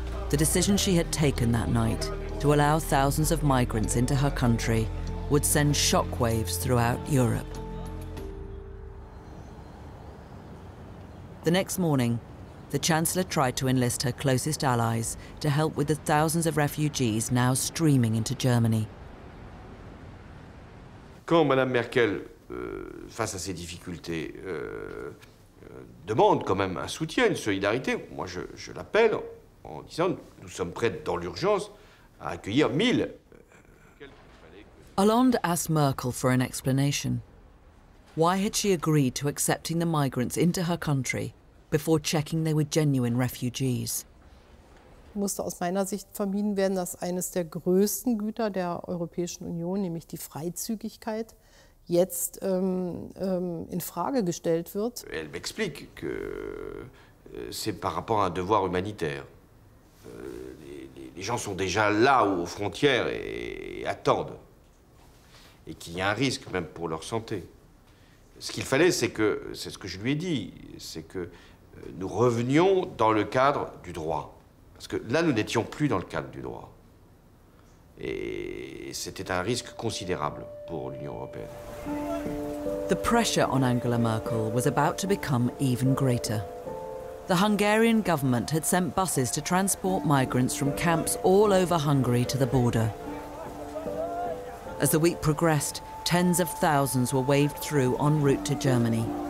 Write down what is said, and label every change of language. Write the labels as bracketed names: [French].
[English] The decision she had taken that night to allow thousands of migrants into her country would send shockwaves throughout Europe. The next morning, the Chancellor tried to enlist her closest allies to help with the thousands of refugees now streaming into Germany. [French] Quand Madame Merkel, face à ces difficultés, demande quand même un soutien, une solidarité, moi je l'appelle en disant nous sommes prêts dans l'urgence à accueillir 1000. [English] Hollande asked Merkel for an explanation. Why had she agreed to accepting the migrants into her country before checking they were genuine refugees? [German] Musste aus meiner Sicht vermieden werden, dass eines der größten Güter der Europäischen Union, nämlich die Freizügigkeit, jetzt in Frage gestellt wird. [French] Elle m'explique que c'est par rapport à un devoir humanitaire. Les gens sont déjà là aux frontières et attendent. Et qu'il y a un risque même pour leur santé. Ce qu'il fallait, c'est ce que je lui ai dit, c'est que nous revenions dans le cadre du droit. Parce que là, nous n'étions plus dans le cadre du droit. Et c'était un risque considérable pour l'Union européenne. [English] The pressure on Angela Merkel was about to become even greater. The Hungarian government had sent buses to transport migrants from camps all over Hungary to the border. As the week progressed, tens of thousands were waved through en route to Germany.